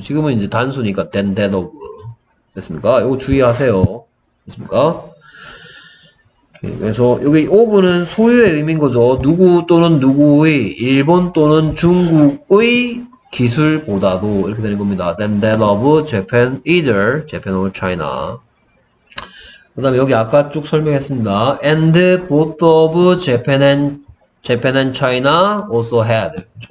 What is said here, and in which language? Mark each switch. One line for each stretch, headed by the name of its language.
Korean: 지금은 이제 단수니까 then that of 됐습니까? 이거 주의하세요. 됐습니까? 그래서 여기 of는 소유의 의미인 거죠. 누구 또는 누구의 일본 또는 중국의 기술보다도 이렇게 되는 겁니다.
English: than that of Japan either Japan or China.
Korean: 그 다음에 여기 아까 쭉 설명했습니다.
English: and both of Japan and China also had.